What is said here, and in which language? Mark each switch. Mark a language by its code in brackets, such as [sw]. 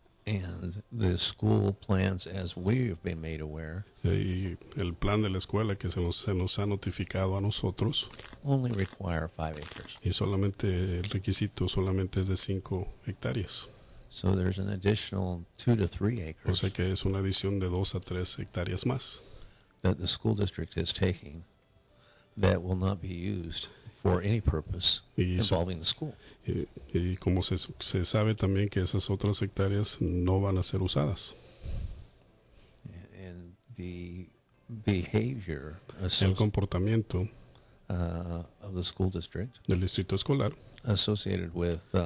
[en] And the school plans, as we have been made aware, [es] el plan de la escuela que se nos ha notificado a nosotros, [en] only require 5 acres. [es] Y solamente el requisito solamente es de 5 hectáreas. [en] So there's an additional 2 to 3 acres. [es] O sea que es una adición de 2 a 3 hectáreas más. [en] That the school district is taking that will not be used for any purpose involving the school. [es] Y como se sabe también que esas otras hectáreas no van a ser usadas. [en] And the behavior, [es] el comportamiento [en] of the school district, [es] del distrito escolar, [en] associated with,